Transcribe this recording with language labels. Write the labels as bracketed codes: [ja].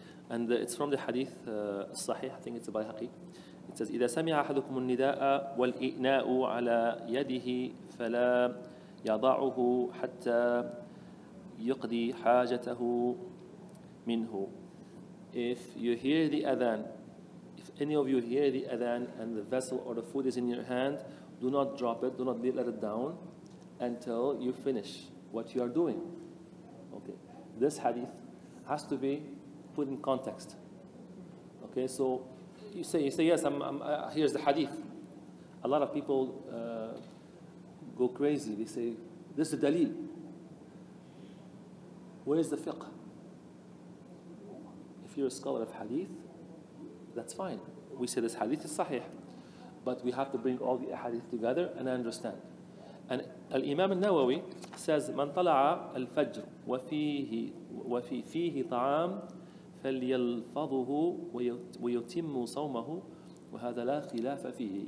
[en] And it's from the Hadith Sahih, I think it's Bayhaqi. [ar] It says, إِذَا سَمِعَ أَحَدُكُمُ النِّدَاءَ وَالْإِئْنَاءُ عَلَىٰ يَدِهِ فَلَا يَضَعُهُ حَتَّى يُقْضِي حَاجَتَهُ مِنْهُ. [en] If you hear the Adhan, if any of you hear the Adhan and the vessel or the food is in your hand, do not drop it, do not let it down until you finish what you are doing. Okay. This hadith has to be put in context. Okay, so you say yes, here's the hadith. A lot of people go crazy. They say, this is the dalil. Where is the fiqh? If you're a scholar of hadith, that's fine. We say this hadith is sahih. But we have to bring all the hadith together and understand. And al-Imam al-Nawawi says, [ar] من طلع الفجر وفي فيه طعام فليلفظه ويتم صومه وهذا لا خلاف فيه.